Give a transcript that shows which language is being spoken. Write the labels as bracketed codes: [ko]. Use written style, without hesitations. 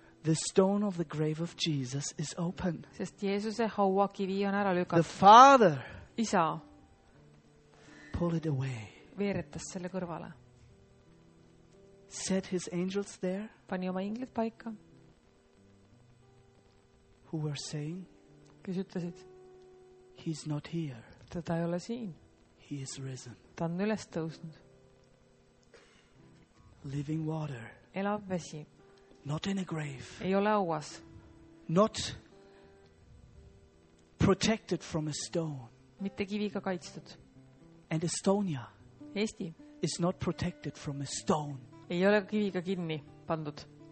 [en] The stone of the grave of Jesus is open. [et] Sest Jeesuse haua kivi on ära lükatud. [en] The Father. [et] Isa. [en] Pull it away. [et] Veeretas selle kõrvale. [en] Set his angels there. [et] Pani oma inglid paika. [en] Who were saying? [et] Kes ütlesid? [en] He's not here. [et] Teda ei ole siin. [en] He is risen. [et] Ta on üles tõusnud. [en] Living water. [et] Elav vesi. [en] Not in a grave. [et] Ei ole auas. [en] Not protected from a stone. [et] Mitte kiviga kaitstud. [en] And Estonia. [et] Eesti. [en] Is not protected from a stone. [et] Ei ole kiviga kinni pandud.